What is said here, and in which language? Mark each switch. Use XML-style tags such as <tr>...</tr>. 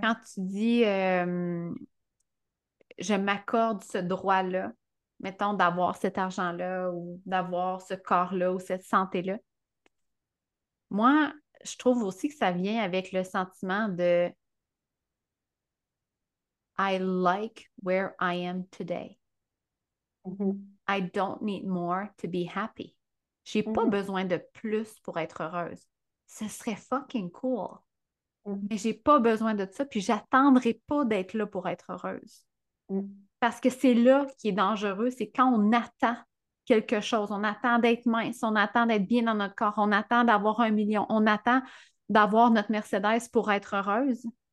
<fr>quand tu dis je m'accorde ce droit-là, mettons d'avoir cet argent-là ou d'avoir ce corps-là ou cette santé-là, moi, je trouve aussi que ça vient avec le sentiment de</fr> <en>I like where I am today. I don't need more to be happy.</en> <fr>J'ai pas besoin de plus pour être heureuse. Ce serait fucking cool. Mais j'ai pas besoin de ça, puis j'attendrai pas d'être là pour être heureuse. Parce que c'est là qui est dangereux, c'est quand on attend quelque chose, on attend d'être mince, on attend d'être bien dans notre corps, on attend d'avoir 1 million, on attend d'avoir notre Mercedes pour être heureuse.</fr>